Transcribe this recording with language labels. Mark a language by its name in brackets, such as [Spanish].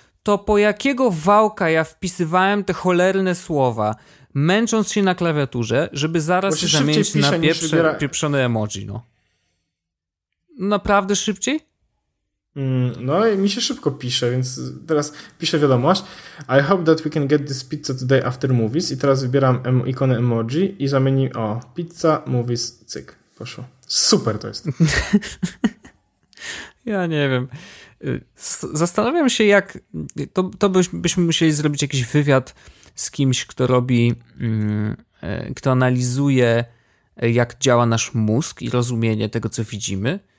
[Polish] To po jakiego wałka ja wpisywałem te cholerne słowa, męcząc się na klawiaturze, żeby zaraz się zamienić na pieprzone emoji, no. Naprawdę szybciej? No i mi się szybko pisze, więc teraz piszę wiadomość. [English] I hope that we can get this pizza today after movies. [Polish] I teraz wybieram ikonę emoji i zamieni, o, pizza, movies, cyk, poszło. Super to jest. Ja nie wiem. Zastanawiam się, jak to byśmy musieli zrobić jakiś wywiad z kimś, kto robi, kto analizuje, jak działa nasz mózg i rozumienie tego, co widzimy.